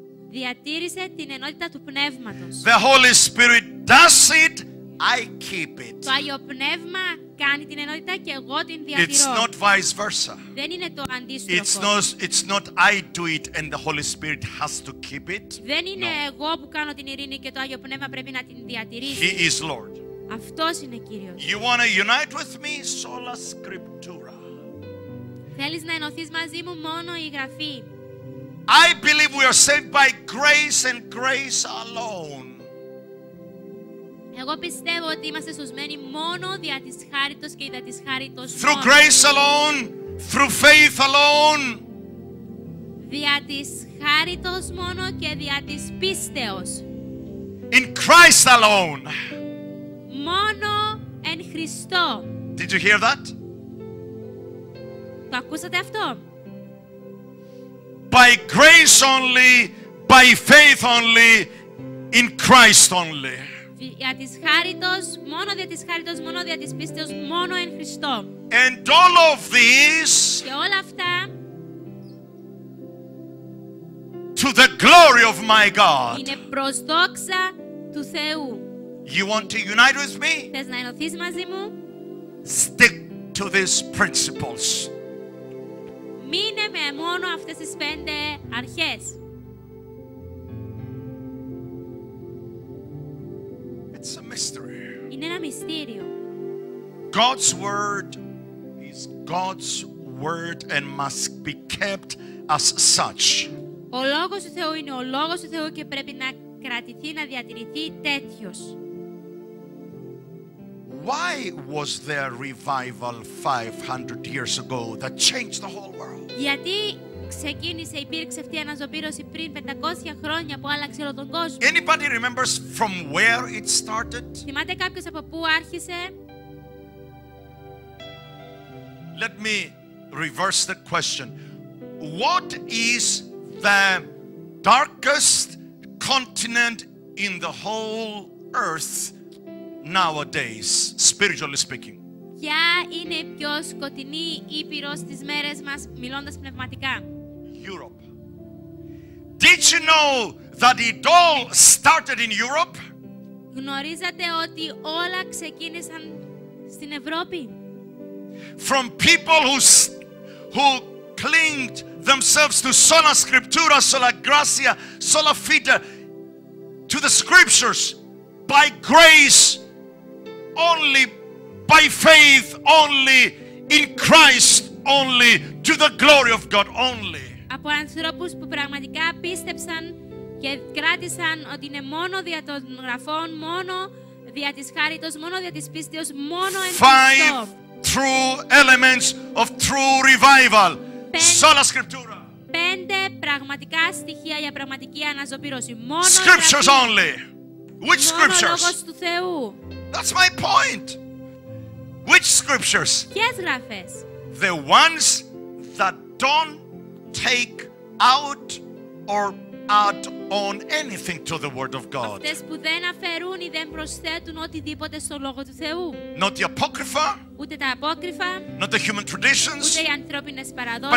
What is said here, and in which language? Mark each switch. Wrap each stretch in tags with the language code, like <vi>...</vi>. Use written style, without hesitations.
<el>Διατήρησε την ενότητα του Πνεύματος.</el> <en>The Holy Spirit does it, I keep it.</en> <el>Το Άγιο Πνεύμα κάνει την ενότητα και εγώ την διατηρώ.</el> <en>It's not vice versa.</en> <el>Δεν είναι το αντίστροφο.</el> <en>It's not I do it and the Holy Spirit has to keep it.</en> <el>Δεν είναι εγώ που κάνω την ειρήνη και το Άγιο Πνεύμα πρέπει να την διατηρήσει.</el> <en>He is Lord.</en> <el>Αυτός είναι Κύριος.</el> <en>You want to unite with me, sola scriptura.</en> <el>Θέλεις να ενωθείς μαζί μου, μόνο η γραφή.</el> <en>I believe we are saved by grace and grace alone.</en> <el>Εγώ πιστεύω ότι είμαστε σωσμένοι μόνο δια της χάριτος και δια της χάριτος μόνο.</el> <en>Through grace alone, through faith alone.</en> <el>Δια της χάριτος μόνο και δια της πίστεως.</el> <en>In Christ alone.</en> <el>Μόνο εν Χριστώ.</el> <en>Did you hear that?</en> <el>Το ακούσατε αυτό?</el> <en>By grace only, by faith only, in Christ only.</en> <el>Δια της χάριτος, μόνο δια της χάριτος, μόνο δια της πίστεως, μόνο εν Χριστώ.</el> <en>And all of these,</en> <el>και όλα αυτά,</el> <en>to the glory of my God.</en> <el>Είναι προς δόξα του Θεού.</el> <en>You want to unite with me?</en> <el>Θες να ενωθείς μαζί μου?</el> <en>Stick to these principles.</en> <el>Μείνε με μόνο αυτές τις 5 αρχές.</el> <en>It's a mystery.</en> <el>Είναι ένα μυστήριο.</el> <en>God's word is God's word and must be kept as such.</en> <el>Ο λόγος του Θεού είναι ο λόγος του Θεού και πρέπει να κρατηθεί, να διατηρηθεί τέτοιος.</el> <en>Why was there revival 500 years ago that changed the whole world?</en> <el>Γιατί ξεκίνησε, υπήρξε αυτή η αναζωοπήρωση πριν 500 χρόνια που άλλαξε όλο τον κόσμο?</el> <en>Anybody remembers from where it started?</en> <el>Θυμάται κάποιος από πού άρχισε?</el> <en>Let me reverse the question. What is the darkest continent in the whole earth nowadays, spiritually speaking?</en> <el>Ποια είναι η πιο σκοτεινή ήπειρος στις μέρες μας, μιλώντας πνευματικά?</el> <en>Europe. Did you know that it all started in Europe?</en> <el>Γνωρίζατε ότι όλα ξεκίνησαν στην Ευρώπη?</el> <en>From people who clinged themselves to</en> <la>sola scriptura, sola gratia, sola fide,</la> <en>to the scriptures, by grace only, by faith only, in Christ only, to the glory of God only.</en> <el>Από ανθρώπους που πραγματικά πίστεψαν και κράτησαν ότι είναι μόνο δια των γραφών, μόνο δια της χάριτος, μόνο δια της πίστεως, μόνο εν</el> <en>Five true elements of true revival. Sola scriptura.</en> <el>Πέντε πραγματικά στοιχεία για πραγματική αναζωπήρωση. Μόνο</el> <en>scriptures only. Which scriptures?</en> <el>Μόνο λόγος του Θεού.</el> <en>That's my point. Which scriptures?</en> <el>Ποιες γράφες?</el> <en>The ones that don't take out or add on anything to the word of God.</en> <el>Αυτές που δεν αφαιρούν ή δεν προσθέτουν οτιδήποτε στο λόγο του Θεού.</el> <en>Not the apocrypha.</en> <el>Ούτε τα απόκρυφα.</el> <en>Not the human traditions.</en> <el>Ούτε οι ανθρώπινες παραδόσεις.</el>